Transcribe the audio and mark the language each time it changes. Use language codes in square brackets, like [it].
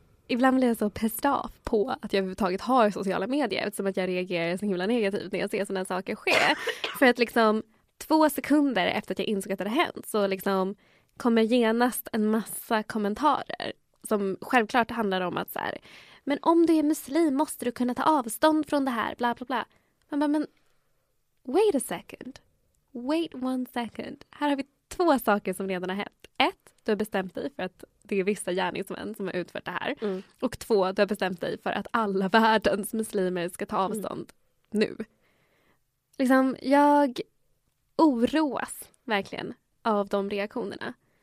[sv] Ibland blir jag så pissed off på att jag överhuvudtaget har sociala medier eftersom att jag reagerar så himla negativt när jag ser sådana saker ske. För att liksom 2 sekunder efter att jag insåg att det hade hänt så liksom kommer genast en massa kommentarer som självklart handlar om att så här, men om du är muslim måste du kunna ta avstånd från det här, bla bla bla. Man bara, men [en] wait a second. Wait one second. [sv] Här har vi 2 saker som redan har hänt. 1, du har bestämt dig för att det är vissa gärningsmän som har utfört det här. Mm. Och 2, du har bestämt dig för att alla världens muslimer ska ta avstånd nu. Liksom, jag oroas verkligen av de reaktionerna.